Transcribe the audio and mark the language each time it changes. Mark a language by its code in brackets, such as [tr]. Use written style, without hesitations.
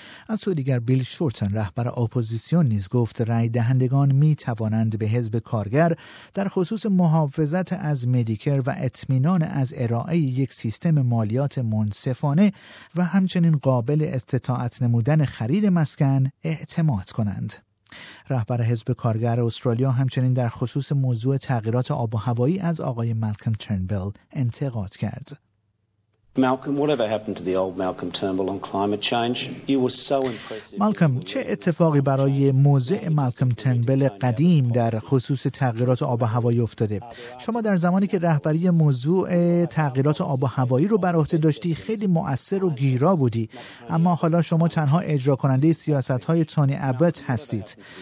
[fa] از سوی دیگر بیل شورتن رهبر اپوزیسیون نیز گفت رای دهندگان می توانند به حزب کارگر در خصوص محافظت از مدیکر و اطمینان از ارائه یک سیستم مالیات منصفانه و همچنین قابل استطاعت نمودن خرید مسکن اعتماد کنند. رهبر حزب کارگر استرالیا همچنین در خصوص موضوع تغییرات آب و هوایی از آقای مالکم ترنبل انتقاد کرد. [en] Malcolm, whatever happened to the old Malcolm Turnbull on climate change? You were so impressive. [fa] Malcolm, چه اتفاقی برای موضع مالکم ترنبل قدیم در خصوص تغییرات آب و هوایی افتاده؟ شما در زمانی که رهبری موضوع تغییرات آب و هوایی رو بر عهده داشتی خیلی مؤثر و گیرا بودی، اما حالا شما تنها اجرا کننده سیاست‌های تونی ابت هستید.